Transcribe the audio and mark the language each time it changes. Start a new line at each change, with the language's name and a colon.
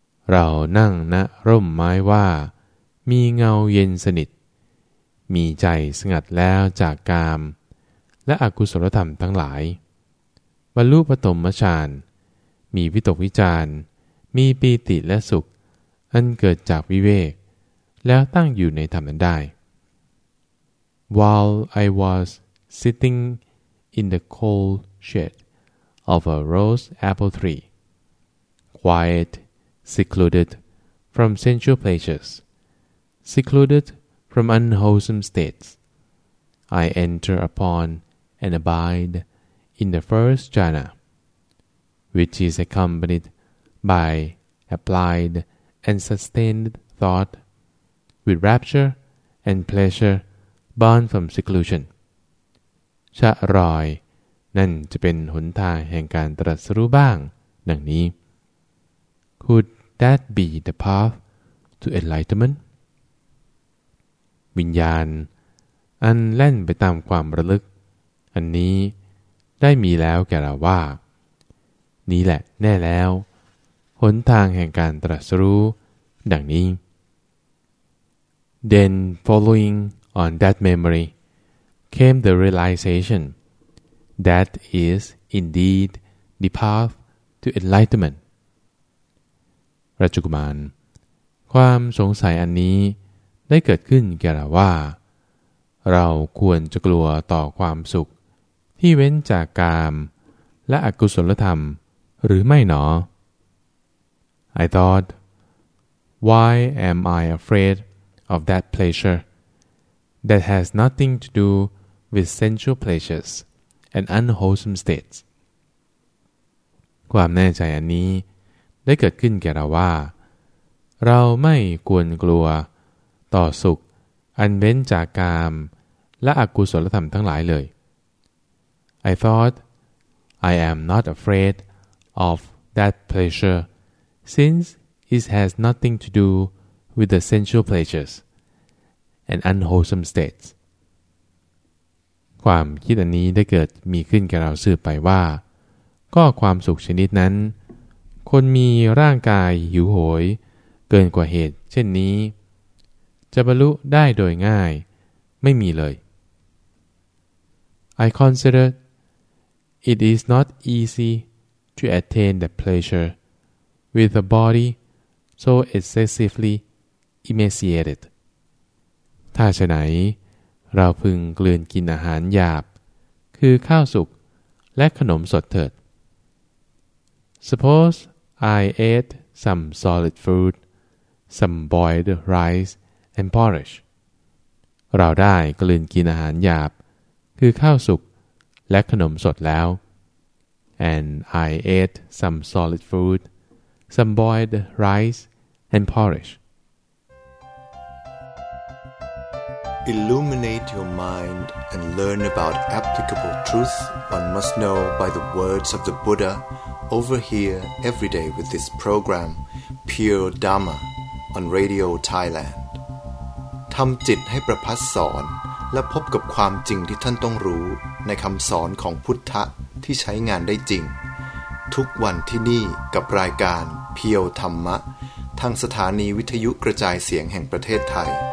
Thai: เรานั่งณร่มไม้ว่ามีเงาเย็นสนิทมีใจสงัดแล้วจากกามและอกุศลธรรมทั้งหลายบรรลุปฐมฌานมีวิตกวิจารณ์มีปีติและสุขอันเกิดจากวิเวกแล้วตั้งอยู่ในธรรมนั้นได้
English: While I was sitting in the cool shade of a rose apple tree, quiet, secluded from sensual pleasures, secluded from unwholesome states, I enter upon and abide in the first jhana, which is accompanied by applied and sustained thought with rapture and pleasure. Born from seclusion
Thai: ชะรอยนั่นจะเป็นหนทางแห่งการตรัสรู้บ้างดังนี้
English: Could that be the path to enlightenment?
Thai: วิญญาณอันแล่นไปตามความระลึกอันนี้ได้มีแล้วแก่เราว่านี้แหละแน่แล้วหนทางแห่งการตรัสรู้ดังนี้
English: Then followingOn that memory came the realization that is indeed the path to enlightenment.
Thai: ราชกุมารความสงสัยอันนี้ได้เกิดขึ้นแก่เราว่าเราควรจะกลัวต่อความสุขที่เว้นจากกามและอกุศลธรรมหรือไม่หน
English: อ I thought, why am I afraid of that pleasure? That has nothing to do with sensual pleasures and unwholesome states.
Thai: ความแน่ใจอันนี้ได้เกิดขึ้นแก่เราว่าเราไม่ควรกลัวต่อสุขอันเว้นจากกามและอกุศลธรรมทั้งหลายเลย
English: I thought, I am not afraid of that pleasure since it has nothing to do with the sensual pleasures. And unwholesome states.
Thai: ความคิดอันนี้ได้เกิดมีขึ้นแก่เราสืบไปว่าก็ความสุขชนิดนั้นคนมีร่างกายหิวโหยเกินกว่าเหตุเช่นนี้จะบรรลุได้โดยง่ายไม่มีเลย
English: I considered it is not easy to attain that pleasure with a body so excessively emaciated.
Thai: ถ้าฉะไหนเราพึงกลืนกินอาหารหยาบคือข้าวสุกและขนมสดเถิด
English: Suppose I ate some solid food, some boiled rice and porridge.
Thai: เราได้กลืนกินอาหารหยาบคือข้าวสุกและขนมสดแล้ว
English: And I ate some solid food, some boiled rice and porridge. Illuminate your mind and learn about applicable truth one must know by the words of the Buddha over here every day with this program Pure Dharma on Radio Thailand.
Thai: ทำจิตให้ประพัสสอนและพบกับความจริงที่ท่านต้องรู้ในคำสอนของพุทธะที่ใช้งานได้จริงทุกวันที่นี่กับรายการเพียวธรรมะทางสถานีวิทยุกระจายเสียงแห่งประเทศไทย